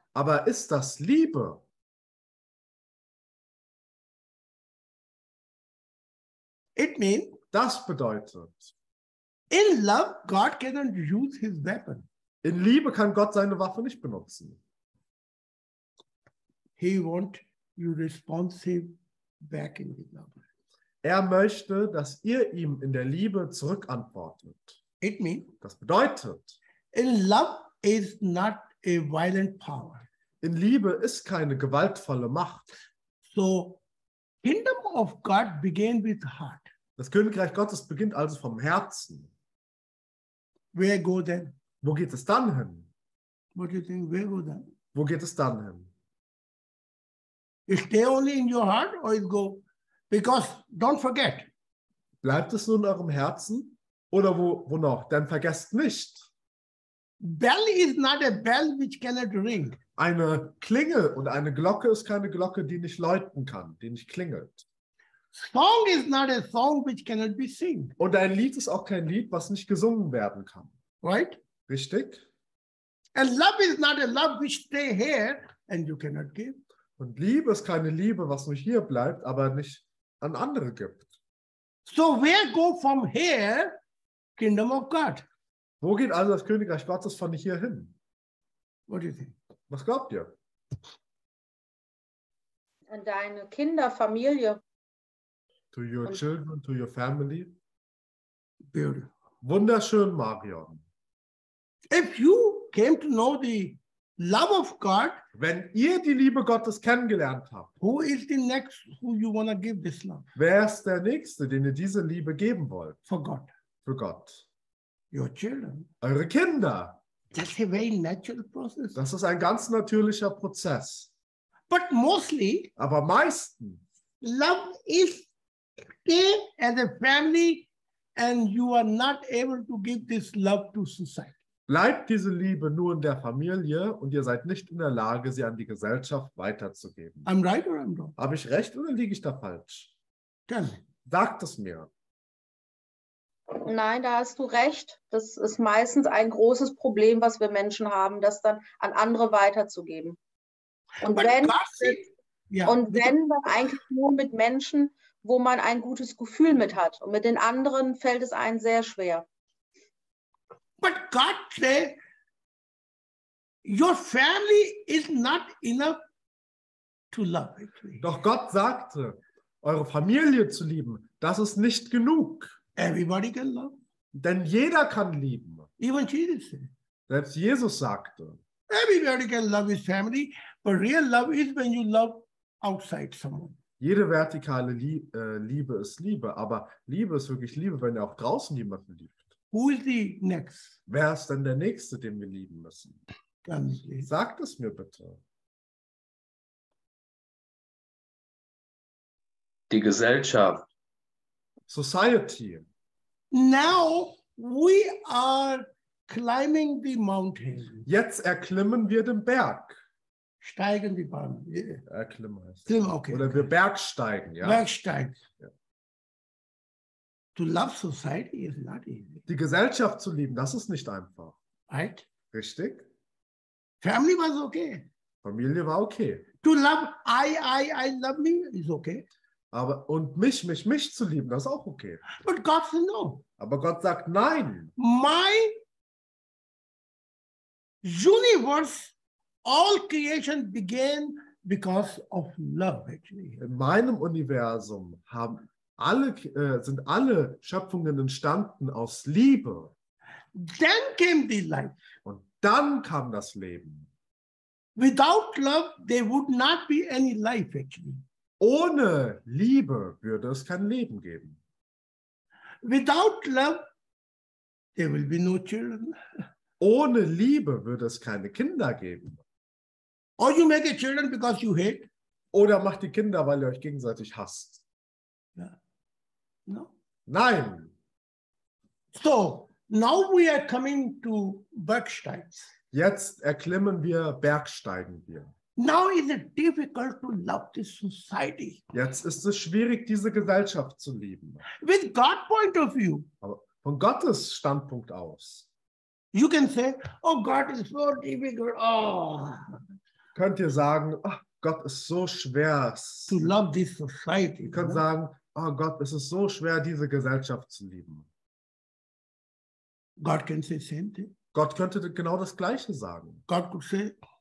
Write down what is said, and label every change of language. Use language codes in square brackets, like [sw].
[de] Aber ist das Liebe? [en] It means, [de] das bedeutet, [en] in love, God cannot use his weapon. [de] In Liebe kann Gott seine Waffe nicht benutzen. [en] He want you responsive back in the love. [de] Er möchte, dass ihr ihm in der Liebe zurückantwortet. [en] It means, [de] das bedeutet, [en] in love is not a violent power. [de] In Liebe ist keine gewaltvolle Macht. [en] So, kingdom of God began with heart. [de] Das Königreich Gottes beginnt also vom Herzen. [en] Where go then? [de] Wo geht es dann hin? [en] What do you think? Where go then? [de] Wo geht es dann hin? [en] It stay only in your heart or it go? Because don't forget. [de] Bleibt es nur in eurem Herzen? Oder wo noch? Dann vergesst nicht. [en] Bell is not a bell which cannot ring. [de] Eine Klingel und eine Glocke ist keine Glocke, die nicht läuten kann, die nicht klingelt. [en] Song is not a song which cannot be sung. [de] Und ein Lied ist auch kein Lied, was nicht gesungen werden kann. [en] Right? [de] Richtig. [en] And love is not a love which stay here and you cannot give. [de] Und Liebe ist keine Liebe, was nur hier bleibt, aber nicht an andere gibt. [en] So where go from here, kingdom of God? [de] Wo geht also das Königreich Gottes von hier hin? [en] What do you think? [de] Was glaubt ihr? An deine Kinder, Familie. [en] To your children, to your family. Beautiful. [de] Wunderschön, Marion. [en] If you came to know the love of God, [de] wenn ihr die Liebe Gottes kennengelernt habt, [en] who is the next who you wanna give this love? [de] Wer ist der Nächste, den ihr diese Liebe geben wollt? [en] For God. [de] Für Gott. [en] Your children. [de] Eure Kinder. [en] That's a very natural process. [de] Das ist ein ganz natürlicher Prozess. [en] But mostly. [de] Aber meistens. [en] Love is stay as a family and you are not able to give this love to society. [de] Bleibt diese Liebe nur in der Familie und ihr seid nicht in der Lage, sie an die Gesellschaft weiterzugeben. [en] I'm right or I'm wrong? [de] Habe ich recht oder liege ich da falsch? [en] Tell me. [de] Sagt es mir. Nein, da hast du recht. Das ist meistens ein großes Problem, was wir Menschen haben, das dann an andere weiterzugeben. Und wenn man eigentlich nur mit Menschen, wo man ein gutes Gefühl mit hat. Und mit den anderen fällt es einem sehr schwer. [en] But God say, your family is not enough to love. [de] Doch Gott sagte, eure Familie zu lieben, das ist nicht genug. [en] Everybody can love. [de] Denn jeder kann lieben. [en] Even Jesus said. [de] Selbst Jesus sagte. [en] Everybody can love his family, but real love is when you love outside someone. [de] Jede vertikale Liebe ist Liebe, aber Liebe ist wirklich Liebe, wenn ihr auch draußen jemanden liebt. [en] Who is the next? [de] Wer ist denn der Nächste, den wir lieben müssen? Ganz sagt es mir bitte. Die Gesellschaft. [en] Society. Now we are climbing the mountain. [de] Jetzt erklimmen wir den Berg. Steigen die Bahn. Oder wir bergsteigen. Ja? Bergsteigen. Ja. [en] To love society is not easy. [de] Die Gesellschaft zu lieben, das ist nicht einfach. [en] Right? [de] Richtig. [en] Family was okay. [de] Familie war okay. [en] To love I love me is okay. [de] Aber und mich zu lieben, das ist auch okay. [en] But God says no. [de] Aber Gott sagt nein. [en] My universe, all creation began because of love, actually. [de] In meinem Universum sind alle Schöpfungen entstanden aus Liebe. [en] Then came the life. [de] Und dann kam das Leben. [en] Without love, there would not be any life, actually. [de] Ohne Liebe würde es kein Leben geben. [en] Without love, there will be no children. [de] Ohne Liebe würde es keine Kinder geben. [en] Or you make the children because you hate. [de] Oder macht die Kinder, weil ihr euch gegenseitig hasst. [en] Yeah. No. [de] Nein. [en] So, now we are coming to Bergsteins. [de] Jetzt erklimmen wir, bergsteigen wir. [en] Now is it difficult to love this society. [de] Jetzt ist es schwierig, diese Gesellschaft zu lieben. [en] With God point of view. [de] Aber von Gottes Standpunkt aus. [en] You can say, oh God is so difficult. Oh. [de] Könnt ihr sagen, oh Gott ist so schwer. [en] To love this society. [de] Ihr könnt sagen, oh Gott, es ist so schwer, diese Gesellschaft zu lieben. [en] God can say same thing. [de] Gott könnte genau das Gleiche sagen. [en] God could say,